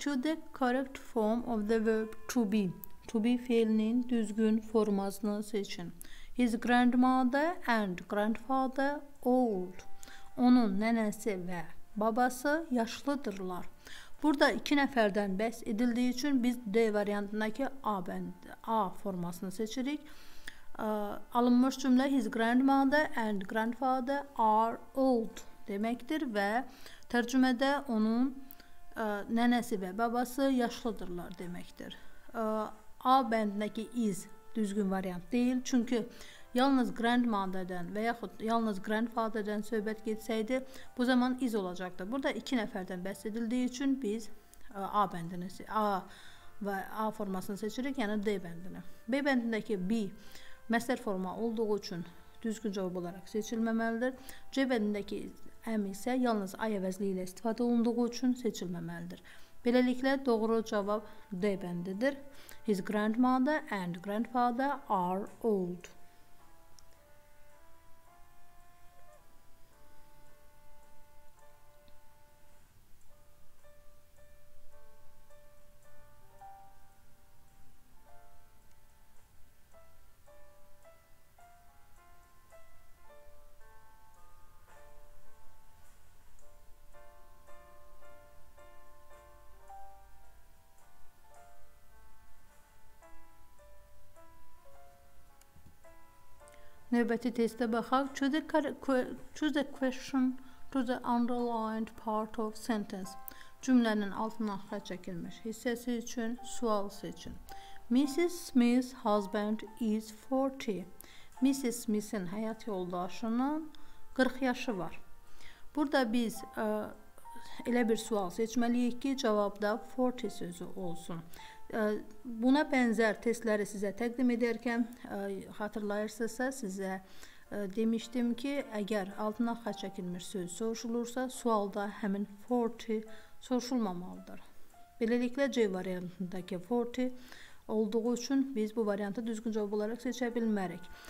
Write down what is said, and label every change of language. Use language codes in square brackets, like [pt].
[en] To the correct form of the verb to be. [az] To be fiilinin düzgün formasını seçin. [en] His grandmother and grandfather old. [az] Onun nənəsi və babası yaşlıdırlar. Burada iki nəfərdən bəhs edildiyi üçün biz D variantındakı A formasını seçirik. Alınmış cümlə [en] his grandmother and grandfather are old [az] deməkdir və tərcümədə onun nənəsi və babası yaşlıdırlar deməkdir. A bəndindəki is düzgün variant deyil, çünki yalnız grandmother-dən və yaxud yalnız grandfather-dən söhbət getsəydi, bu zaman is olacaqdı. Burada iki nəfərdən bəhs edildiyi üçün biz A bəndini, A və A formasını seçirik, yəni D bəndini. B bəndindəki be məsdər forma olduğu üçün düzgün cavab olaraq seçilməməlidir. C bəndindəki M isə yalnız I əvəzliyi ilə istifadə olunduğu üçün seçilməməlidir. Beləliklə, doğru cavab D bəndidir. [en] His grandmother and grandfather are old. [az] Növbəti testə baxaq. [en] Choose the question to the underlined part of sentence. [az] Cümlənin altından xətt çəkilmiş hissəsi üçün sual seçin. Mrs. [en] Smith's husband is 40. Mrs. [az] Smith'in həyat yoldaşının 40 yaşı var. Burada biz elə bir sual seçməliyik ki, cavabda 40 sözü olsun. Buna bənzər testləri sizə təqdim edərkən xatırlayırsınızsa, sizə demişdim ki, əgər altına xətt çəkilmiş söz soruşulursa, sualda həmin 40 soruşulmamalıdır. Beləliklə, C variantındakı 40 olduğu üçün biz bu variantı düzgün cavab olaraq seçə bilmərik.